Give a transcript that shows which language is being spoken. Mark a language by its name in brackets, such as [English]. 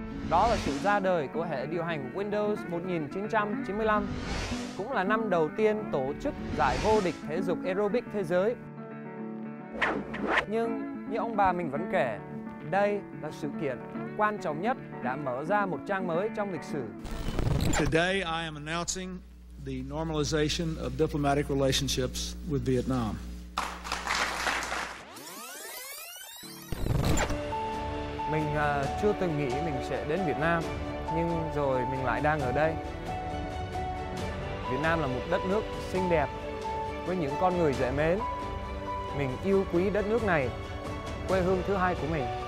[Vietnamese] Đó là sự ra đời của hệ điều hành Windows 1995. Cũng là năm đầu tiên tổ chức giải vô địch thể dục aerobic thế giới. Nhưng như ông bà mình vẫn kể, đây là sự kiện quan trọng nhất đã mở ra một trang mới trong lịch sử. [English] Today I am announcing the normalization of diplomatic relationships with Vietnam. [Vietnamese] Mình chưa từng nghĩ mình sẽ đến Việt Nam, nhưng rồi mình lại đang ở đây. Việt Nam là một đất nước xinh đẹp với những con người dễ mến. Mình yêu quý đất nước này, quê hương thứ hai của mình.